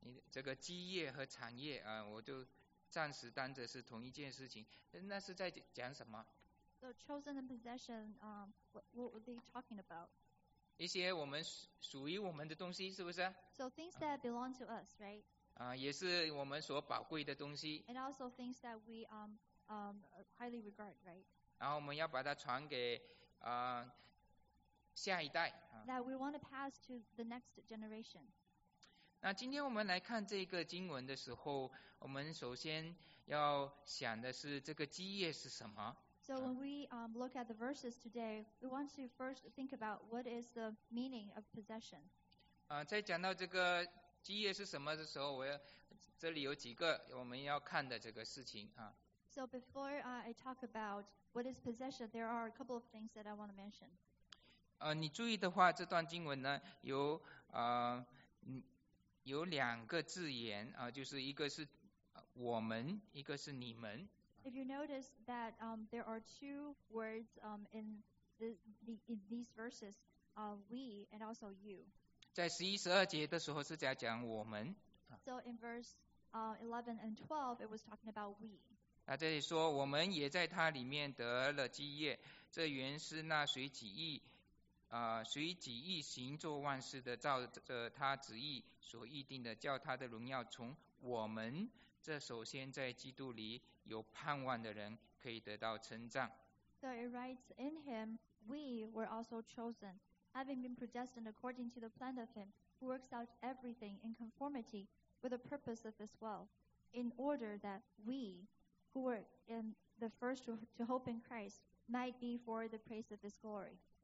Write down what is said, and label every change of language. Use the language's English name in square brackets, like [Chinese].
[Chinese] 这个基业和产业我就暂时当着是同一件事情，那是在讲什么？ [English] So chosen and possession, what were they talking about? [Chinese] 一些我们属于我们的东西，是不是？ [English] So things that belong to us, right? [Chinese] 也是我们所宝贵的东西。 [English] And also things that we highly regard, right? [Chinese] 然后我们要把它传给下一代。 [English] That we want to pass to the next generation. [Chinese] 那今天我们来看这个经文的时候，我们首先要想的是这个基业是什么。 [English] So when we look at the verses today, we want to first think about what is the meaning of possession. [Chinese] 在讲到这个基业是什么的时候，这里有几个我们要看的这个事情啊。 [English] So before I talk about what is possession, there are a couple of things that I want to mention. [Chinese] 你注意的话，这段经文呢有有两个字眼就是一个是我们，一个是你们。 [English] If you notice that there are two words in these verses, we and also you. [Chinese] 在11、12节的时候是在讲我们。 [English] So in verse 11 and 12, it was talking about we. [Chinese] 这里说我们也在他里面得了基业，这原是那随己意行做万事的，照着他旨意所议定的，叫他的荣耀从我们。这首先在基督里有盼望的人可以得到称赞。 [English] So it writes in him, we were also chosen, having been predestined according to the plan of him, who works out everything in conformity with the purpose of his will, in order that we, who were in the first to hope in Christ, might be for the praise of his glory.